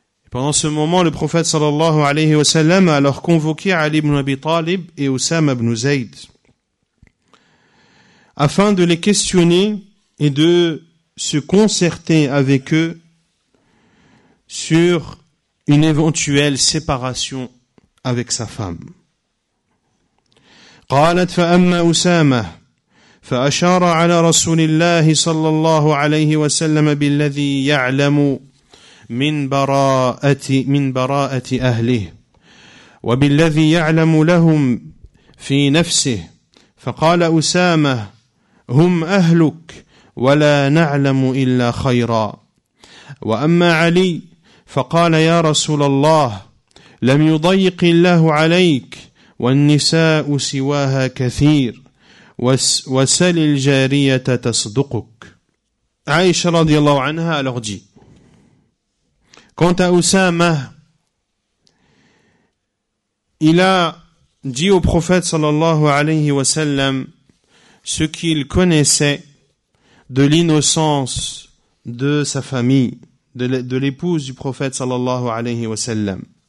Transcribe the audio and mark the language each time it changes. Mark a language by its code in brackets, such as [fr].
[fr] Pendant ce moment, le prophète sallallahu alayhi wa sallam a alors convoqué Ali ibn Abi Talib et Usama ibn Zayd afin de les questionner et de se concerter avec eux sur une éventuelle séparation avec sa femme. [ar] قالت فأما أسامة فأشار على رسول الله صلى الله عليه وسلم بالذي يعلم من براءة أهله وبالذي يعلم لهم في نفسه فقال أسامة هم أهلك ولا نعلم إلا خيرا وأما علي فقال يا رسول الله لم يضيق الله عليك والنساء سواها كثير وسل الجارية تصدقك. [fr] عائشة رضي الله عنها alors dit: quant à Usama, il a dit au prophète sallallahu alayhi wa sallam ce qu'il connaissait de l'innocence de sa famille, de l'épouse du prophète sallallahu alayhi wa sallam.